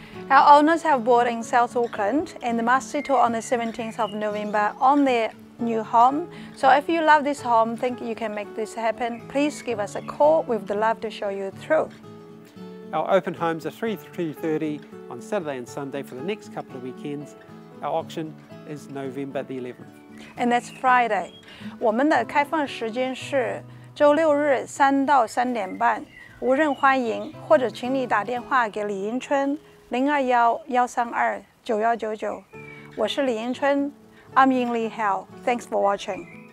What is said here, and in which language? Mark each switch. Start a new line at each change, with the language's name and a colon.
English: Our owners have bought in South Auckland and the must see tour on the 17th of November on their new home. So if you love this home, think you can make this happen, please give us a call. We'd love to show you through. Our open homes are 3:30 on Saturday and Sunday for the next couple of weekends. Our auction is November the 11th. And that's Friday.
Chinese: 我们的开放时间是周六日3到3点半, 无人欢迎或者请你打电话给李英春, 021-132-9199. 我是李英春,
English: I'm Ying Lee Howe. Thanks for watching.